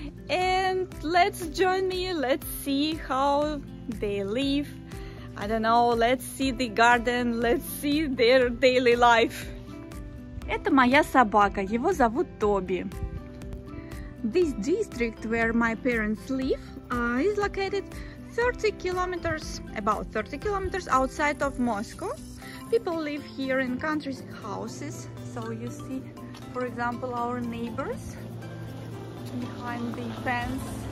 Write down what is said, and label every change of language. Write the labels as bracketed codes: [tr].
[en] And let's join me, let's see how they live. I don't know, let's see the garden, let's see their daily life. [ru] Это моя собака, его зовут Тоби. [en] This district where my parents live is located 30 kilometers, about 30 kilometers outside of Moscow. People live here in country houses, so you see, for example, our neighbors behind the fence.